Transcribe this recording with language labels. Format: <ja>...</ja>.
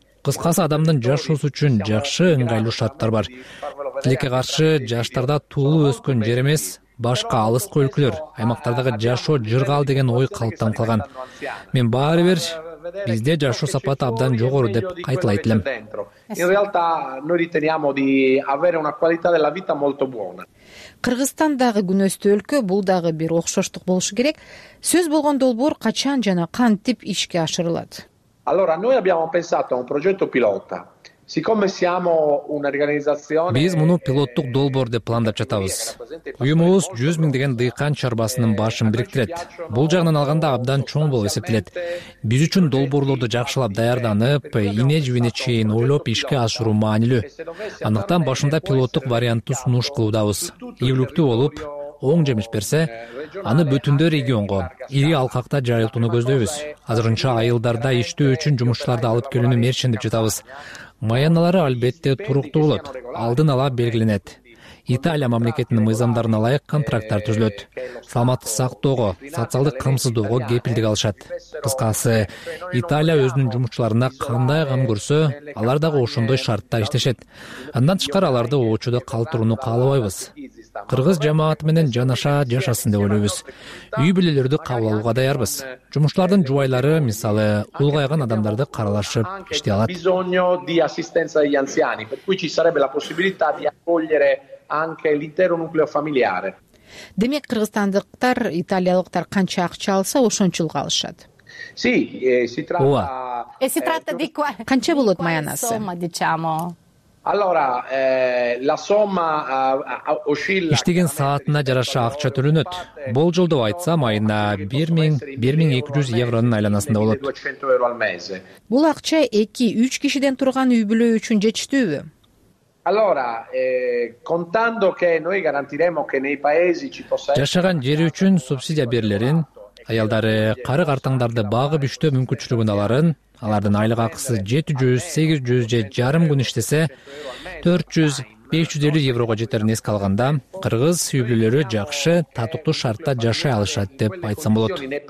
<ky>Кыскасы, адамдын жашоосу үчүн жакшы ыңгайлуу шарттар бар. Тилекке каршы, жаштарда туулуп өскөн жер эмес, башка алыскы өлкөлөр, аймактардагы жашоо жыргал деген ой калыптанып калган. Мен баары бир бизде жашоо сапаты абдан жогору деп айтылат элем.</ky> <it>In realtà noi riteniamo di avere una qualità della vita molto buona.</it> <ky>Кыргызстандагы күнөстүү өлкө бул дагы бир окшоштук болушу керек. Сөз болгон долбоор качан жана кантип ишке ашырылат?</ky> <it>Allora noi abbiamo pensato a un progetto pilota. Siccome siamo un'organizzazione</it> <ky>Биз муну пилоттук долбоор деп пландап жатабыз. Уюмубуз 100 000 деген дыйкан чарбасынын башын бириктирет. Бул жагынан алганда абдан чоң болуп эсептелет. Биз үчүн долбоорлорду жакшылап даярданып, ине жибине чейин ойлоп ишке ашыруу маанилүү. Андыктан башында пилоттук вариантты сунуш кылуудабыз. Ийгиликтүү болуп, оң жемиш берсе, аны бүтүндөй регионго, ири алкакта жайылтууну көздөйбүз. Азырынча айылдарда иштөө үчүн жумушчуларды алып келүүнү мерчендеп жатабыз. Маянналары албетте туруктуу болот, алдын ала белгиленет. Италия мамлекетинин мыйзамдарына ылайык контракттар түзүлөт. Саламаттык сактоого, социалдык камсыздоого кепилдик алышат. Кыскасы, Италия өзүнүн жумушчуларына кандай кам көрсө, алар дагы ошондой шартта иштешет. Андан тышкары аларды оочудо калтырууну каалабайбыз. Кыргыз жамааты менен жанаша жашасын деп ойлойбуз. Үй бүлөлөрдү кабыл алууга даярбыз. Жумушчулардын жубайлары, мисалы, улгайган адамдарды каралашып иштей алат.</ky> <it>Bisogno di assistenza agli anziani, per cui ci sarebbe la possibilità di accogliere anche l'intero nucleo familiare.</it> <ky>Демек, кыргызстандыктар, италиялыктар канча акча алса, ошончолук алышат.</ky> <it>Sì, si tratta Si tratta di</it> <ky>Канча болот маянасы?</ky> <it>Somma, diciamo. Allora, la somma oscilla</it> <ky>Иштеген саатына жараша акча төлөнөт. Болжолдоп айтсам, айына 1000-1200 евронун айланасында болот. Бул акча 2-3 кишиден турган үй бүлө үчүн жетиштүүбү?</ky> <it>Allora, contando che noi garantiremo che nei paesi ci possa essere</it> <ky>жашаган жери үчүн субсидия берилерин, аялдары карык артаңдарды багып иштөө мүмкүнчүлүгүн аларын, алардын айлык акысы 700-800 же жарым күн иштесе 400-550 еврого жетерин эске алганда, кыргыз үй бүлөлөрү жакшы, татыктуу шартта жашай алышат деп айтсам болот.</ky>